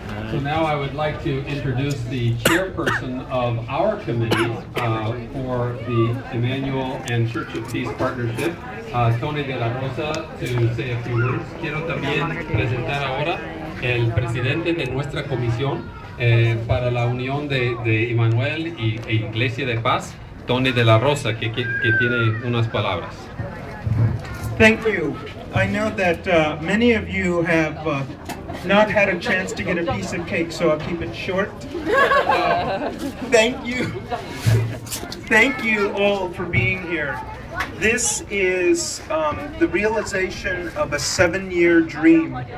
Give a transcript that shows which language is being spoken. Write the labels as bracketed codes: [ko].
[en] So now I would like to introduce the chairperson of our committee for the Immanuel and Church of Peace Partnership, Tony de la Rosa, to say a few words. [es] Quiero también presentar ahora el presidente de nuestra comisión para la unión de Immanuel y Iglesia de Paz, Tony de la Rosa, que tiene unas palabras. [en] Thank you. I know that many of you have not had a chance to get a piece of cake, so I'll keep it short. Thank you all for being here. This is the realization of a 7-year dream.